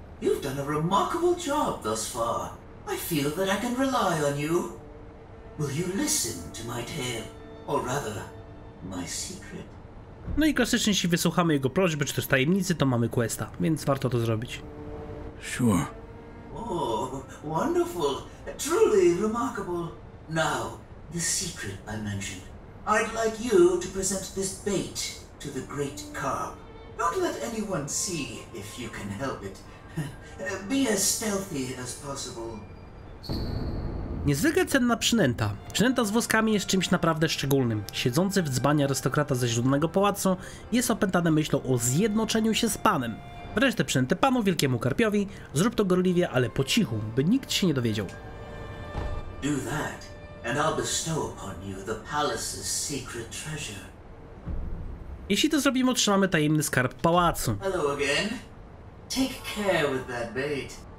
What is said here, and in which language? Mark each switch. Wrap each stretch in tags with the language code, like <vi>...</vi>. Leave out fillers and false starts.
<en>You've done a remarkable job thus far. I feel that I can rely on you. Will you listen to my tale? Or rather, my secret?</en> <pl>No i klasycznie, jeśli wysłuchamy jego prośby czy też tajemnicy, to mamy questa, więc warto to zrobić.</pl> <en>Sure. Oh, wonderful. Truly remarkable. Now, the secret I mentioned. I'd like you to present this bait to the great Carp. Don't let anyone see if you can help it. Be as stealthy as possible.</en> <pl>Niezwykle cenna przynęta. Przynęta z włoskami jest czymś naprawdę szczególnym. Siedzący w dzbanie arystokrata ze źródłego pałacu jest opętany myślą o zjednoczeniu się z panem. Wręcz tę przynętę panu, wielkiemu karpiowi, zrób to gorliwie, ale po cichu, by nikt się nie dowiedział.</pl> <en>Do that, and I'll bestow upon you the palace's secret treasure.</en> <pl>Jeśli to zrobimy, otrzymamy tajemny skarb pałacu.</pl> <en>Hello again. Take care with that bait.</en>